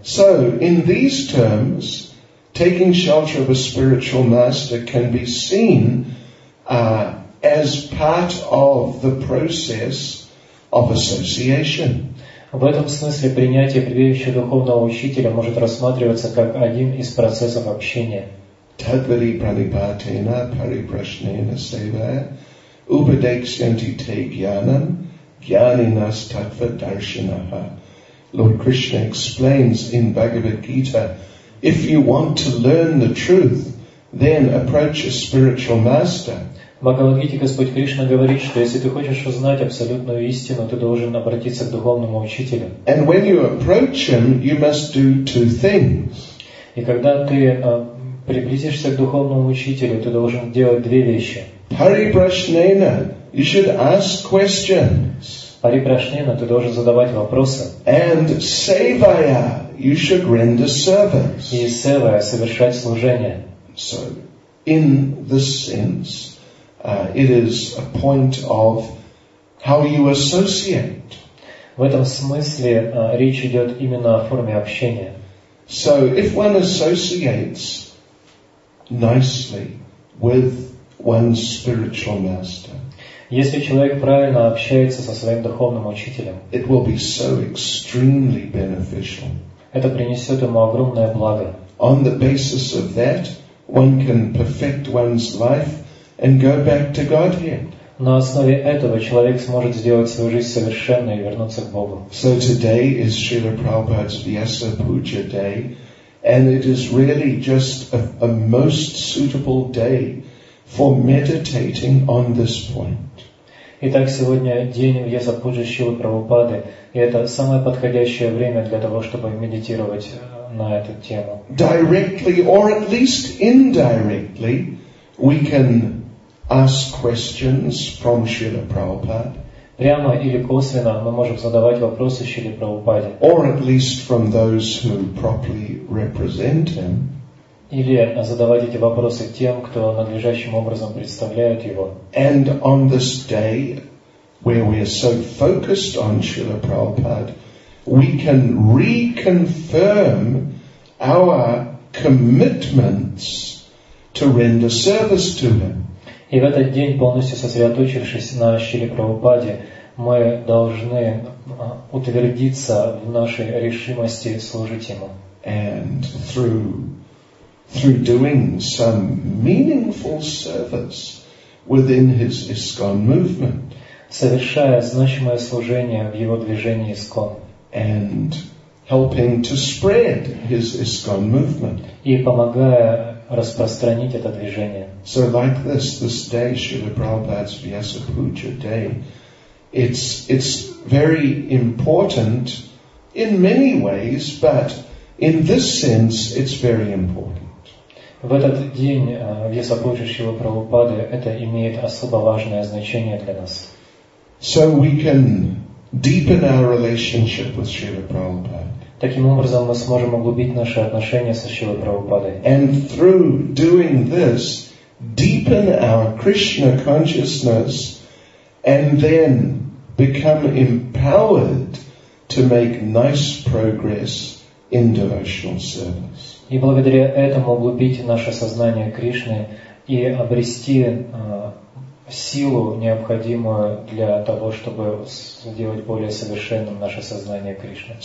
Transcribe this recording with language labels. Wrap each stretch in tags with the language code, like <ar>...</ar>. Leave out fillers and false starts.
<en>So, in these terms, taking shelter of a spiritual master can be seen as part of the process of association.</en> <ru>В этом смысле принятие прибежища духовного учителя может рассматриваться как один из процессов общения.</ru> <sa>Tadvari pranipatena pariprashnena sevaya upadeksyanti te jnanam jnaninas tattva darshanaha.</sa> <en>Lord Krishna explains in Bhagavad Gita, if you want to learn the truth, then approach a spiritual master.</en> <ru>В Бхагавад Гите Господь Кришна говорит, что если ты хочешь узнать абсолютную истину, ты должен обратиться к духовному учителю.</ru> <en>And when you approach him, you must do two things.</en> <ru>И когда ты приблизишься к духовному учителю, ты должен делать две вещи.</ru> <en>Hari Prashnena, you should ask questions.</en> <ru>Парипрашнина, ты должен задавать вопросы.</ru> <en>And Севая, you should render service.</en> <ru>И Севая, совершать служение.</ru> <en>So, in this sense, it is a point of how you associate.</en> <ru>В этом смысле речь идет именно о форме общения.</ru> <en>So, if one associates nicely with one's spiritual master,</en> <ru>если человек правильно общается со своим духовным учителем,</ru> <en>it will be so extremely beneficial.</en> <ru>Это принесет ему огромное благо.</ru> <en>On the basis of that, one can perfect one's life and go back to Godhead.</en> <ru>На основе этого человек сможет сделать свою жизнь совершенной и вернуться к Богу.</ru> <en>So today is Srila Prabhupada's Vyasa Puja day, and it is really just a most suitable day for meditating on this point.</en> <ru>Итак, сегодня день Вьяса Пуджи Шилы Прабхупады, и это самое подходящее время для того, чтобы медитировать на эту тему.</ru> <en>Directly or at least indirectly, we can ask questions from Srila Prabhupada.</en> <ru>Прямо или косвенно мы можем задавать вопросы Шиле Прабхупаде.</ru> <en>Or at least from those who properly represent him.</en> <ru>Или задавать эти вопросы тем, кто надлежащим образом представляет его.</ru> <en>And on this day, where we are so focused on Srila Prabhupada, we can reconfirm our commitments to render service to him.</en> <ru>И в этот день, полностью сосредоточившись на Шриле Прабхупаде, мы должны утвердиться в нашей решимости служить ему.</ru> <en>And through doing some meaningful service within his ISKCON movement.</en> <ru>Совершая значимое служение в его движении ISKCON.</ru> <en>And helping to spread his ISKCON movement.</en> <ru>И помогая распространить это движение.</ru> <en>So like this day, Srila Prabhupada's Vyasa Puja day, it's very important in many ways, but in this sense, it's very important.</en> <ru>В этот день Вьяса Пуджа Шрилы Прабхупады это имеет особо важное значение для нас.</ru> <en>So we can deepen our relationship with Srila Prabhupada.</en> <ru>Таким образом, мы сможем углубить наши отношения со Шрилой Прабхупадой.</ru> <en>And through doing this, deepen our Krishna consciousness and then become empowered to make nice progress in devotional service.</en> <ru>И благодаря этому углубить наше сознание Кришны и обрести силу, необходимую для того, чтобы сделать более совершенным наше сознание Кришны.</ru>